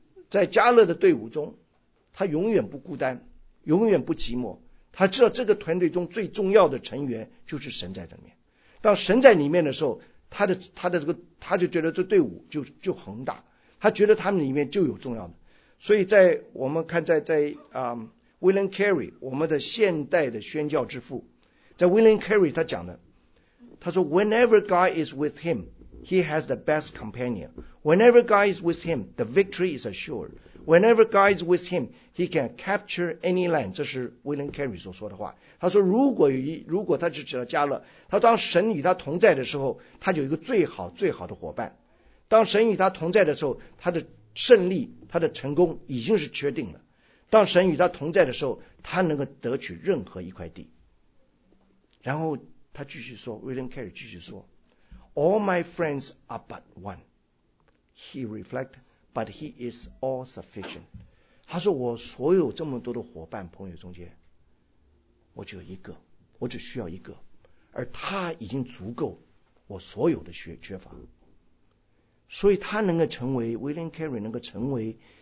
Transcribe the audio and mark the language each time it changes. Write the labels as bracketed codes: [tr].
[zh] 在加勒的队伍中，他永远不孤单，永远不寂寞，他知道这个团队中最重要的成员就是神在里面。当神在里面的时候，他的这个他就觉得这队伍就宏大，他觉得他们里面就有重要的。所以在我们看William Carey， 我们的现代的宣教之父，在 William Carey 他讲的，他说 [en] Whenever God is with him, he has the best companion. Whenever God is with him, the victory is assured. Whenever God is with him, he can capture any land. [zh] 这是 William Carey 所说的话。他说如果他只知道加勒，他当神与他同在的时候，他有一个最好最好的伙伴。当神与他同在的时候，他的胜利，他的成功已经是确定了。当神与他同在的时候，他能够得取任何一块地。然后他继续说 ，William Carey 继续说 ， [en] All my friends are but one. He reflect, but he is all sufficient. [zh] 他说我所有这么多的伙伴朋友中间，我只有一个，我只需要一个，而他已经足够我所有的缺乏。所以他能够成为 William Carey 能够成为。